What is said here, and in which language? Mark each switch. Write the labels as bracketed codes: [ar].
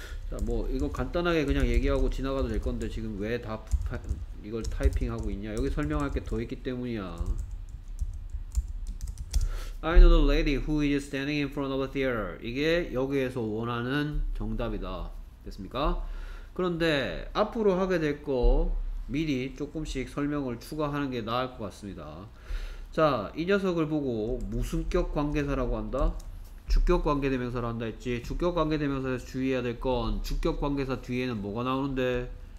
[ko] 자, 뭐 이거 간단하게 그냥 얘기하고 지나가도 될 건데 지금 왜다 이걸 타이핑하고 있냐? 여기 설명할 게더 있기 때문이야. [en] I know the lady who is standing in front of the theater. [ko] 이게 여기에서 원하는 정답이다. 됐습니까? 그런데 앞으로 하게 될거 미리 조금씩 설명을 추가하는 게 나을 것 같습니다. 자, 이 녀석을 보고 무슨격 관계사라고 한다? 주격 관계대명사라 한다 했지. 주격 관계대명사에서 주의해야 될건 주격 관계사 뒤에는 뭐가 나오는데?